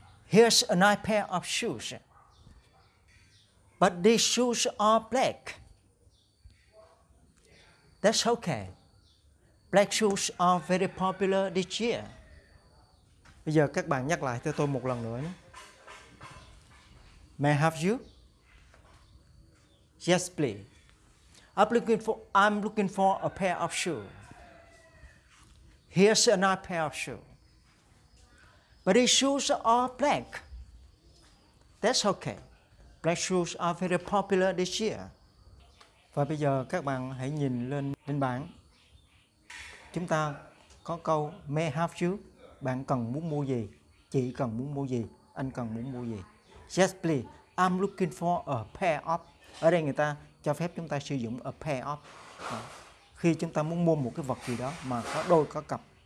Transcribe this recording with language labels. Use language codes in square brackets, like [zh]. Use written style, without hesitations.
[en] Here's a nice pair of shoes. But these shoes are black. That's okay. Black shoes are very popular this year. [vi] Bây giờ các bạn nhắc lại cho tôi một lần nữa nhé. [en] May I have you? Yes, please. I'm looking for a pair of shoes. Here's another pair of shoes. But these shoes are black. That's okay. Black shoes are very popular this year. [vi] Và bây giờ các bạn hãy nhìn lên trên bảng. Chúng ta có câu [en] may have you. [vi] Bạn cần muốn mua gì? Chị cần muốn mua gì? Anh cần muốn mua gì? [en] Yes, please. I'm looking for a pair of. [vi] Ở đây người ta cho phép chúng ta sử dụng [en] a pair of. [vi] Khi chúng ta muốn mua một cái vật gì đó mà có đôi có cặp.